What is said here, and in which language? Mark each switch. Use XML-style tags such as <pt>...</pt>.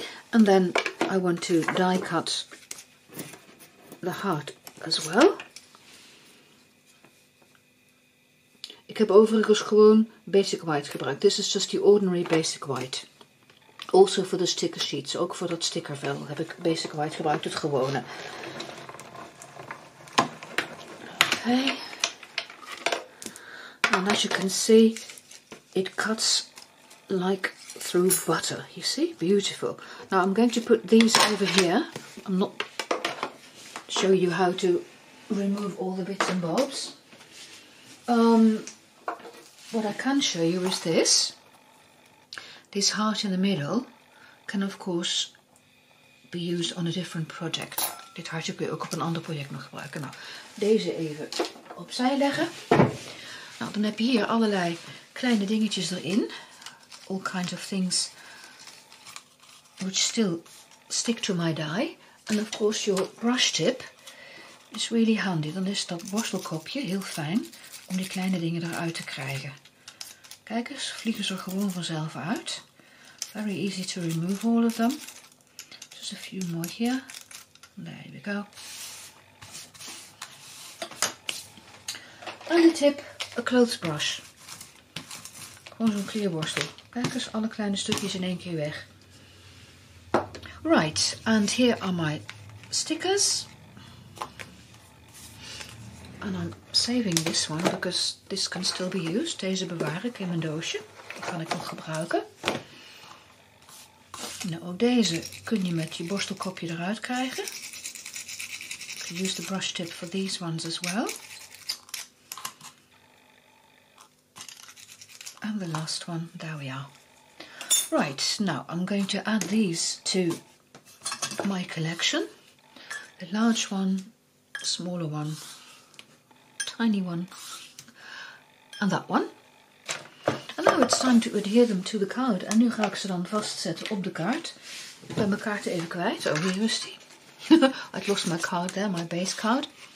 <en>And then I want to die cut the heart as well.</en> <nl>Ik heb overigens gewoon basic white gebruikt.</nl> <en>This is just the ordinary basic white. Also for the sticker sheets,</en> <nl>ook voor dat stickervel heb ik basic white gebruikt, het gewone.</nl> <en>Okay. And as you can see, it cuts like through butter. You see? Beautiful. Now I'm going to put these over here. I'm not show you how to remove all the bits and bobs. What I can show you is this. This heart in the middle can of course be used on a different project.</en> <nl>Dit hartje kun je ook op een ander project nog gebruiken. Nou, deze even opzij leggen. Nou, dan heb je hier allerlei kleine dingetjes erin.</nl> <en>All kinds of things which still stick to my die. And of course your brush tip is really handy.</en> <nl>Dan is dat borstelkopje heel fijn om die kleine dingen eruit te krijgen. Kijk eens, vliegen ze er gewoon vanzelf uit.</nl> <en>Very easy to remove all of them. Just a few more here. There we go. And a tip, a clothes brush.</en> <nl>Gewoon zo'n kleerborstel. Kijk eens, alle kleine stukjes in één keer weg.</nl> <en>Right, and here are my stickers. And I'm saving this one because this can still be used.</en> <nl>Deze bewaar ik in mijn doosje. Die kan ik nog gebruiken. Nou, ook deze kun je met je borstelkopje eruit krijgen.</nl> <en>You can use the brush tip for these ones as well. And the last one, there we are. Right, now I'm going to add these to my collection. The large one, smaller one, tiny one, and that one. And now it's time to adhere them to the card.</en> <nl>En nu ga ik ze dan vastzetten op de kaart. Ik ben mijn kaart even kwijt. Oh, hier is die.</nl> <en>I lost my card there, my base card.</en>